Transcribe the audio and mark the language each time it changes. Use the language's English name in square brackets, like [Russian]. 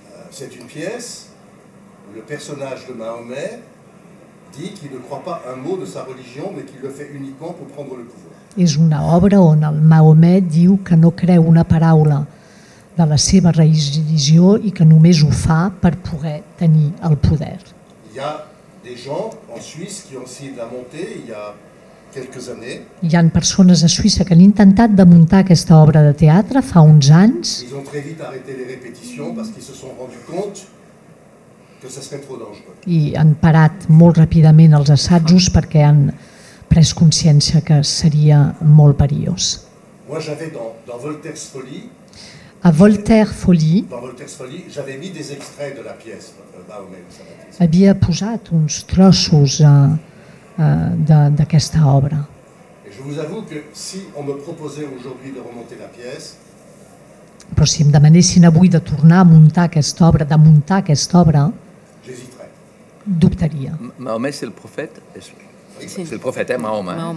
[French] C'est une pièce où le personnage de Mahomet dit qu'il ne croit pas un mot de sa religion, mais qu'il le fait uniquement pour prendre le pouvoir. [Catalan] És una obra on el Mahomet diu que no creu una paraula de la seva religió i que només ho fa per poder tenir el poder. Hi ha [French] des gens en Suisse qui ont essayé de la monter il y a quelques années. [Catalan] Hi ha persones a Suïssa que han intentat de muntar aquesta obra de teatre fa uns anys. [French] Ils ont très vite arrêté les répétitions parce qu'ils se sont rendu compte que ça serait trop dangereux. [Catalan] I han parat molt ràpidament els assajos perquè han pres consciència que seria molt perillós. [French] Moi j'avais dans Voltaire's Folie. [Catalan] A Voltaire Folie. [French] Dans Voltaire's Folie, j'avais mis des extraits de la pièce Mahomet. [Catalan] Havia posat uns trossos d'aquesta obra. [French] Et je vous avoue que si on me proposait aujourd'hui de remonter la pièce, [Catalan] però si em demanessin avui de tornar a muntar aquesta obra, de muntar aquesta obra, [French] j'hésiterais. [Catalan] Dubtaria. [French] Mahomet, c'est le prophète, és c'est le prophète, hein, Mahoma.